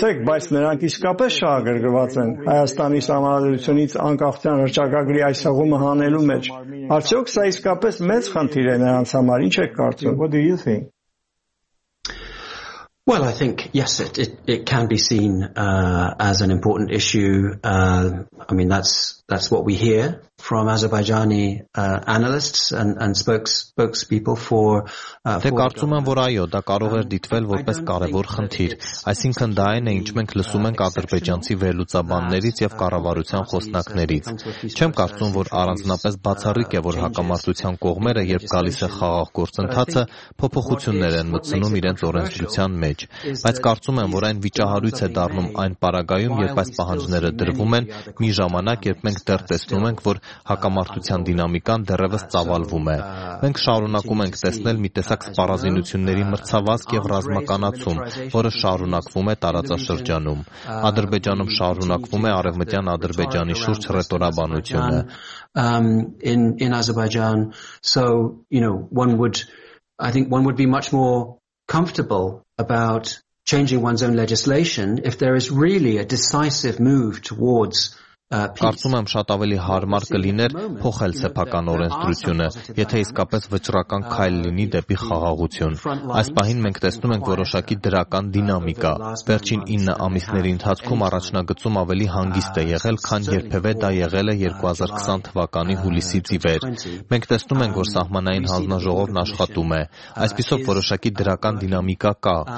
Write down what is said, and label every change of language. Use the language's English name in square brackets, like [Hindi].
[Armenian] բայց նրանք իսկապես շահագրգռված են Հայաստանի սահմանադրությունից անկախության հռչակագրի այս հղումը հանելու մեջ։ Արդյոք սա իսկապես մեծ խնդիր է նրանց համար, ինչ եք կարծում? [English] What do you think? Well, I think yes, it can be seen as an important issue. I mean, that's what we hear from Azerbaijani analysts and spokespeople for. [Armenian] Դե կարծում եմ, որ այո, դա կարող է դիտվել որպես կարևոր խնդիր, այսինքն դա այն է, ինչ մենք լսում ենք ադրբեջանցի վերլուծաբաններից եւ կառավարության խոսնակներից։ Չեմ կարծում, որ առանձնապես բացառիկ է, որ հակամարտության կողմերը, երբ գալիս է խաղաղ գործընթացը, փոփոխություններ են մտցնում իրենց օրենսդրության մեջ, բայց կարծում եմ, որ այն վիճահարույց է դառնում այն պարագայում, երբ այս պահանջները դրվում են մի ժամանակ, երբ մենք դեռ տեսնում ենք, որ հակամարտության դինամիկան դեռևս ծավալվում է։ Մենք շարունակում ենք տեսնել մի տեսակ սպառազինությունների մրցավազք եւ ռազմականացում, որը շարունակվում է տարածաշրջանում։ Ադրբեջանում շարունակվում է արևմտյան Ադրբեջանի շուրջ ռետորաբանությունը։ [English] In Azerbaijan, so, you know, one would be much more comfortable about changing one's own legislation if there is really a decisive move towards [Armenian] Կարծում եմ շատ ավելի հարմար կլիներ փոխել սեփական օրենսդրությունը, եթե իսկապես վճռական քայլ լինի դեպի խաղաղություն։ Այս պահին մենք տեսնում ենք որոշակի դրական դինամիկա։ Վերջին 9 ամիսների ընթացքում առաջնագծում ավելի հանգիստ է եղել, քան երբևէ դա եղել է 2020 թվականի հուլիսից ի վեր։ Մենք տեսնում ենք, որ սահմանային հանձնաժողովն աշխատում է։ Այսպիսով որոշակի դրական դինամիկա կա,